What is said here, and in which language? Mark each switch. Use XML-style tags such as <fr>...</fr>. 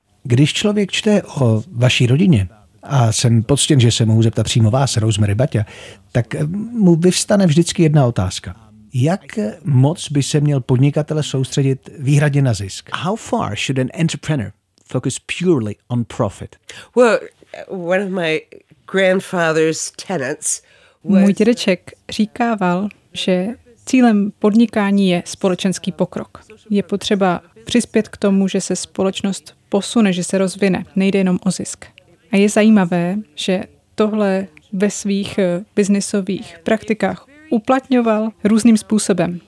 <cs>Když člověk čte o vaší rodině, a jsem poctěn, že se mohu zeptat přímo vás, Rosemary Baťa, tak mu vyvstane vždycky jedna otázka. Jak moc by se měl podnikatel soustředit výhradně na zisk?</cs> <en>How far should an entrepreneur focus purely on profit? Well, one of my grandfather's tenets was...</en> <cs>Můj dědeček říkával, že cílem podnikání je společenský pokrok. Je potřeba přispět k tomu, že se společnost posune, že se rozvine. Nejde jenom o zisk. A je zajímavé, že tohle ve svých biznisových praktikách uplatňoval různým způsobem.</cs>